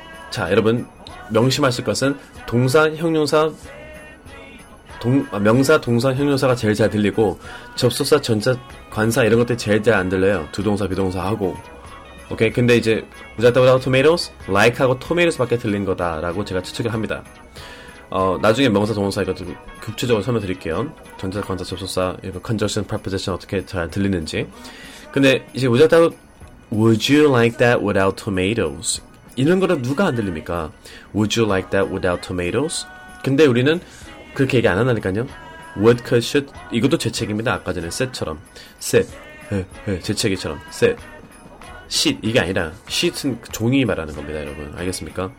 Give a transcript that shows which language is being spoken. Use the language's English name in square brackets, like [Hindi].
[Korean] 자, 여러분 명심하실 것은 동사, 형용사 명사, 동사, 형용사가 제일 잘 들리고 접속사, 전자, 관사 이런 것들이 제일 잘 안 들려요. 두 동사, 비동사 하고 오케이, 근데 이제 [English] Would you like that without tomatoes? [Korean] Like하고 tomatoes밖에 들린 거다라고 제가 추측을 합니다. 나중에 명사, 동사 이거 좀 구체적으로 설명드릴게요. 전자, 관사, 접속사, 컨저션, 프리포지션 어떻게 잘 들리는지. 근데 이제 [English] Would you like that without tomatoes? [Korean] 이런 거를 누가 안 들립니까? [English] Would you like that without tomatoes? [Korean] 근데 우리는 그렇게 얘기 안 한다니까요. Would, could, should 이것도 재채기입니다. 아까 전에 set처럼 set 재채기처럼 set sheet 이게 아니라 sheet은 종이 말하는 겁니다. 여러분 알겠습니까?